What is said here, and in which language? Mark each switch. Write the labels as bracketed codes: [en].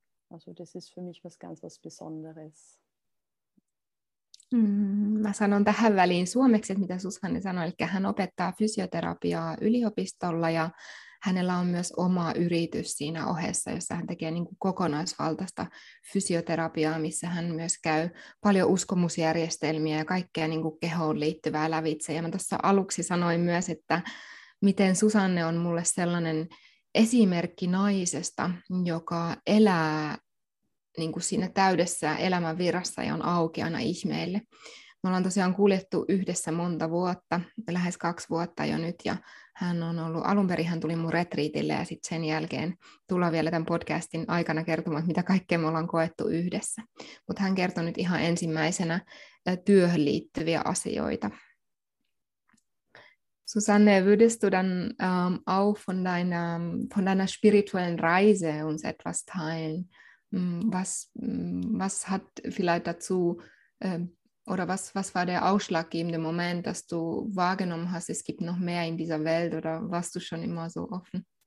[de] Also das ist für mich was ganz was Besonderes. [fi] Mä sanon tähän väliin suomeksi, mitä Susanne sanoi, eli hän opettaa fysioterapiaa yliopistolla ja hänellä on myös oma yritys siinä ohessa, jossa hän tekee niin kuin kokonaisvaltaista fysioterapiaa, missä hän myös käy paljon uskomusjärjestelmiä ja kaikkea niin kuin kehoon liittyvää lävitse. Ja mä tuossa aluksi sanoin myös, että miten Susanne on mulle sellainen esimerkki naisesta, joka elää niin kuin siinä täydessä elämän virassa ja on auki aina ihmeille. Me ollaan tosiaan kuljettu yhdessä monta vuotta, lähes 2 vuotta jo nyt, ja hän on ollut, alun perin hän tuli mun retriitille, ja sitten sen jälkeen tullaan vielä tämän podcastin aikana kertomaan, mitä kaikkea me ollaan koettu yhdessä. Mutta hän kertoi nyt ihan ensimmäisenä työhön liittyviä asioita. [de] Susanne, würdest du dann auch von deiner spirituellen Reise uns etwas teilen? Was hat vielleicht dazu, oder was war der ausschlaggebende Moment, dass du wahrgenommen hast, es gibt noch mehr in dieser Welt, oder warst du schon immer so offen?